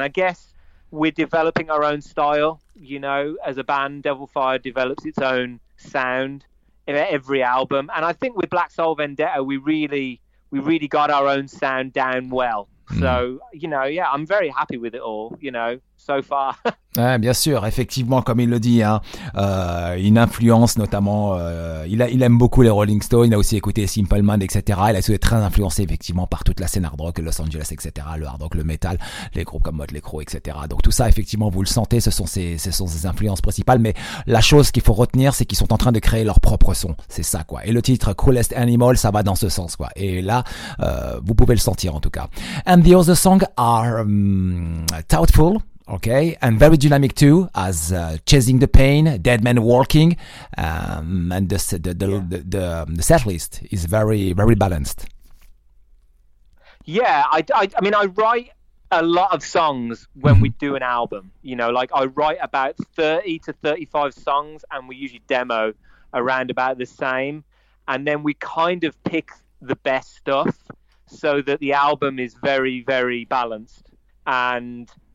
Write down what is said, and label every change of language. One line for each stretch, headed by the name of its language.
English: And I guess we're developing our own style, you know, as a band, Devil Fire develops its own sound in every album. And I think with Black Soul Vendetta, we really got our own sound down well. So, you know, yeah, I'm very happy with it all, you know, so far.
French: Ouais, bien sûr, effectivement, comme il le dit, hein, une influence notamment, il aime beaucoup les Rolling Stones, il a aussi écouté Simple Mind, etc. Il a été très influencé effectivement par toute la scène hard rock, Los Angeles, etc. Le hard rock, le metal, les groupes comme Motley Crue, etc. Donc tout ça, effectivement, vous le sentez, ce sont ses influences principales. Mais la chose qu'il faut retenir, c'est qu'ils sont en train de créer leur propre son. C'est ça, quoi. Et le titre Cruelest Animal, ça va dans ce sens, quoi. Et là, vous pouvez le sentir en tout cas.
English: And the other songs are Doubtful. Okay, and very dynamic too, as Chasing the Pain, Dead Man Walking, and the set list is very, very balanced. Yeah, I mean, I write a lot of songs when we do an album, you know, like I write about 30 to 35 songs, and we usually demo around about the same, and then we kind of pick the best stuff, so that the album is very, very balanced, and...